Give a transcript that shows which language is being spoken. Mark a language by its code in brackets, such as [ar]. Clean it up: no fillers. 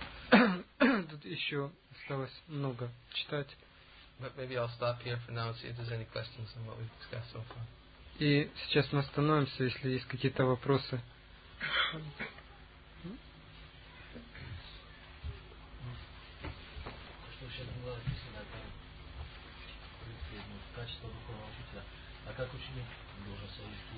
[ru] Тут еще осталось много читать. [en] But maybe I'll stop here for now and see if there's any questions on what we've discussed so far. [ru] И сейчас мы остановимся, если есть какие-то вопросы. Качество духовного учителя. А как ученик должен совести?